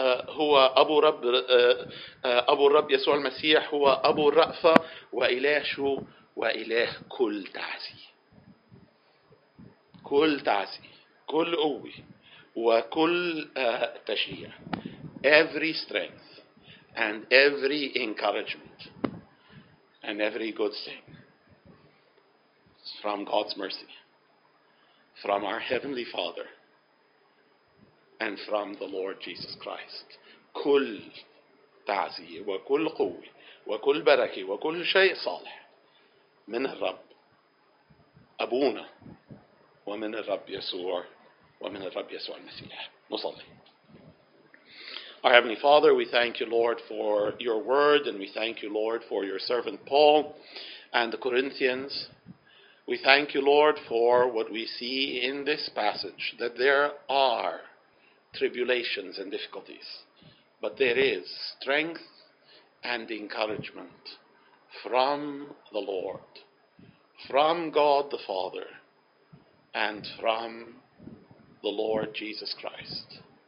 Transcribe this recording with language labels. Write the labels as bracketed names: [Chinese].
[Arabic] هو أبو رب أبو الرب يسوع المسيح هو أبو الرأفة وإله شو وإله كل تعزي كل تعزي كل قوة وكل تشجيع. [English] Every strength and every encouragement and every good thing from God's mercy, from our Heavenly Father, and from the Lord Jesus Christ. [Arabic] كل تعزية وكل قوة وكل بركة وكل شيء صالح من الرب أبونا ومن الرب يسوع ومن الرب يسوع المسيح. نصلي. [English] Our Heavenly Father, we thank you, Lord, for your word, and we thank you, Lord, for your servant Paul and the Corinthians. We thank you, Lord, for what we see in this passage, that there are tribulations and difficulties, but there is strength and encouragement from the Lord, from God the Father, and from the Lord Jesus Christ.